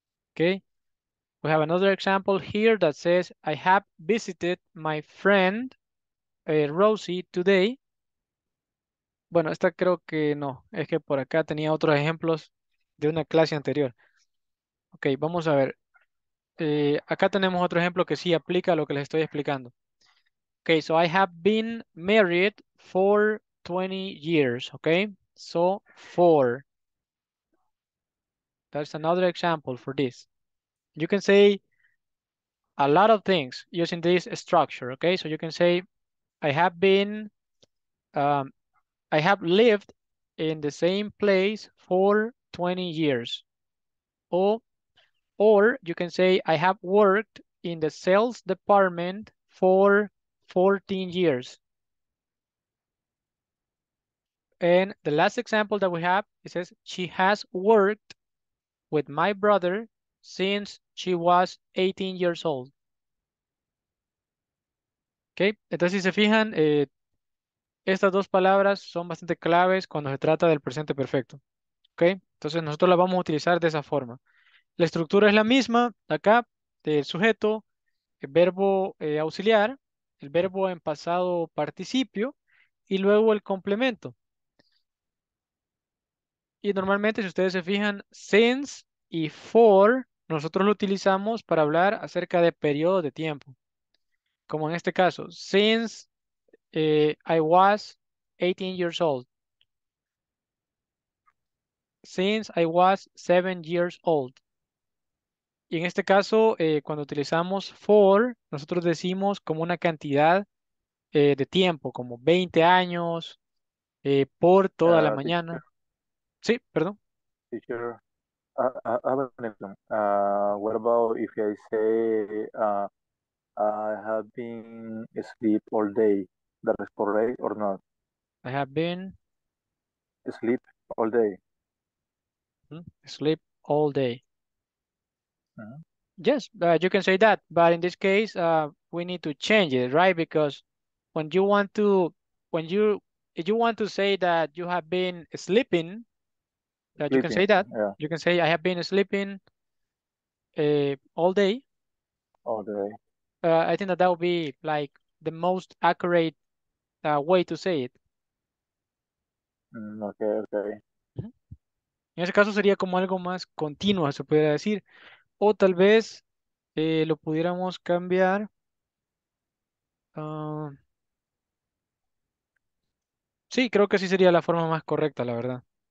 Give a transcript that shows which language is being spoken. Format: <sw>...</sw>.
<en>Okay, we have another example here that says, I have visited my friend Rosie today.</en> <es>Bueno, esta creo que no, es que por acá tenía otros ejemplos de una clase anterior. Ok, vamos a ver. Acá tenemos otro ejemplo que sí aplica a lo que les estoy explicando.</es> <en>Ok, so I have been married for 20 years. Ok, so for. That's another example for this. You can say a lot of things using this structure, okay? So you can say, I have lived in the same place for 20 years. Or you can say, I have worked in the sales department for 14 years. And the last example that we have, it says, she has worked with my brother since she was 18 years old.</en> <es>Okay, entonces si se fijan, estas dos palabras son bastante claves cuando se trata del presente perfecto. Okay, entonces nosotros las vamos a utilizar de esa forma. La estructura es la misma, acá, del sujeto, el verbo auxiliar, el verbo en pasado participio y luego el complemento. Y normalmente, si ustedes se fijan, since y for, nosotros lo utilizamos para hablar acerca de periodo de tiempo. Como en este caso,</es> <en>since I was 18 years old. Since I was 7 years old.</en> <es>Y en este caso, cuando utilizamos for, nosotros decimos como una cantidad de tiempo, como 20 años por toda la mañana. Sí, perdón.</es> <en>Teacher, I have a question. What about if I say I have been asleep all day? That is correct or not? I have been asleep all day. Sleep all day. Uh-huh. Yes, you can say that. But in this case, we need to change it, right? Because if you want to say that you have been sleeping, that you can say that. Yeah. You can say, I have been sleeping all day. All day. I think that would be like the most accurate way to say it. Okay.</en> <es>En ese caso sería como algo más continuo, se pudiera decir. O tal vez lo pudiéramos cambiar. Sí, creo que sí sería la forma más correcta, la verdad.</es>